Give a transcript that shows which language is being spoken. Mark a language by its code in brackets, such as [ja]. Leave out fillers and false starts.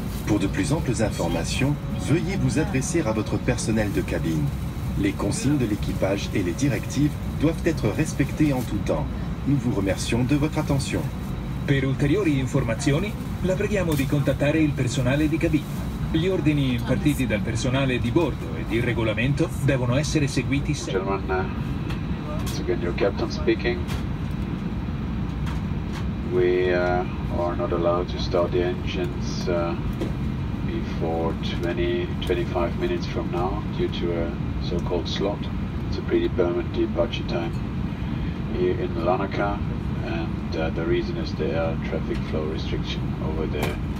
[fr] Pour de plus amples informations, veuillez vous adresser à votre personnel de cabine. Les consignes de l'équipage et les directives doivent être respectées en tout temps. Nous vous remercions de votre attention. [it] Per ulteriori informazioni, la preghiamo di contattare il personale di cabina. Gli ordini impartiti dal personale di bordo e di regolamento devono essere seguiti sempre. [en] Gentlemen, it's again your captain speaking. We are not allowed to start the engines before 20-25 minutes from now due to a so-called slot. It's a predetermined departure time here in Larnaca, and the reason is the air traffic flow restriction over there.